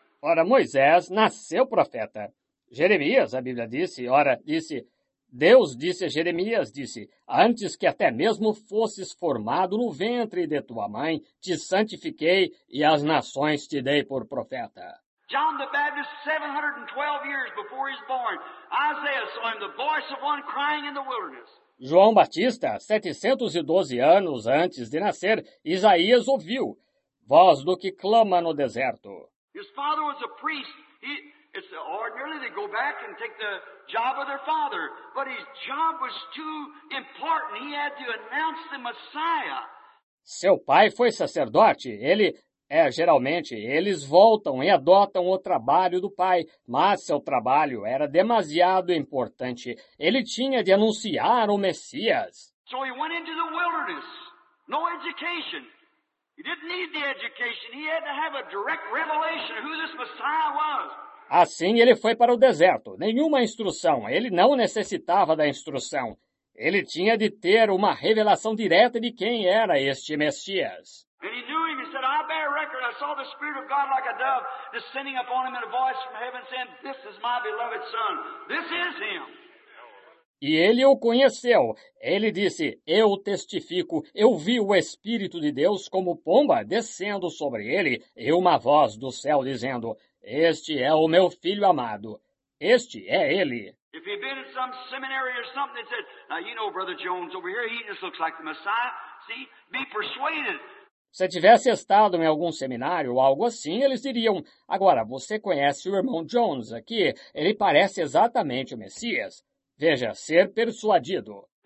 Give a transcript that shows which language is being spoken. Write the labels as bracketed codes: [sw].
[pt] Ora, Moisés nasceu profeta. Jeremias, a Bíblia disse, ora, disse, Deus disse a Jeremias, disse, antes que até mesmo fosses formado no ventre de tua mãe, te santifiquei e as nações te dei por profeta. [en] John the Baptist, 712 years before he's born, Isaiah saw him, the voice of one crying in the wilderness. [pt] João Batista, 712 anos antes de nascer, Isaías ouviu, voz do que clama no deserto. [en] His father was a priest. It's ordinarily they go back and take the job of their father, but his job was too important. He had to announce the Messiah. [pt] Seu pai foi sacerdote. Geralmente, eles voltam e adotam o trabalho do pai, mas seu trabalho era demasiado importante. Ele tinha de anunciar o Messias. [en] So he went into the wilderness. No education. He didn't need the education. He had to have a direct revelation of who this Messiah was. [pt] Assim, ele foi para o deserto. Nenhuma instrução. Ele não necessitava da instrução. Ele tinha de ter uma revelação direta de quem era este Messias. [en] And he knew him. He said, I bear record. I saw the Spirit of God like a dove descending upon him in a voice from heaven saying, this is my beloved son. This is him. [pt] E ele o conheceu. Ele disse, eu testifico, eu vi o Espírito de Deus como pomba descendo sobre ele e uma voz do céu dizendo, este é o meu filho amado. Este é ele. [en] If he'd been in some seminary or something, they said, now you know Brother Jones over here, he just looks like the Messiah. See, be persuaded. [pt] Se tivesse estado em algum seminário ou algo assim, eles diriam, agora, você conhece o irmão Jones aqui? Ele parece exatamente o Messias. Veja, ser persuadido.